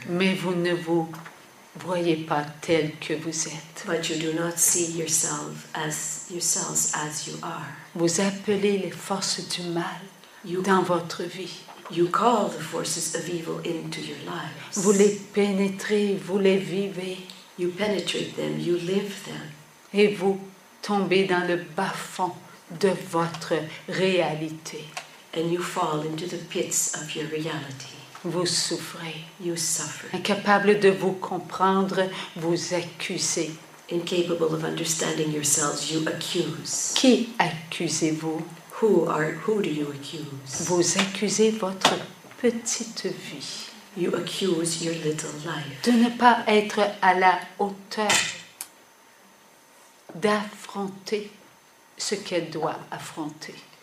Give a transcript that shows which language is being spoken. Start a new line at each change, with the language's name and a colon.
French: Mais vous ne vous voyez pas tel que vous êtes.
English: But you do not see yourself as yourselves as you are.
French: Vous appelez les forces du mal dans votre vie.
English: You call the forces of evil into your lives.
French: Vous les pénétrez, vous les vivez.
English: You penetrate them, you live them.
French: Et vous tombez dans le bas-fond de votre réalité.
English: And you fall into the pits of your reality.
French: Vous souffrez.
English: You suffer.
French: Incapable de vous comprendre, vous accusez.
English: Incapable of understanding yourselves, you accuse.
French: Qui accusez-vous?
English: Who do you accuse?
French: Vous accusez votre petite vie.
English: You accuse your little life.
French: De ne pas être à la hauteur d'affronter ce qu'elle doit affronter.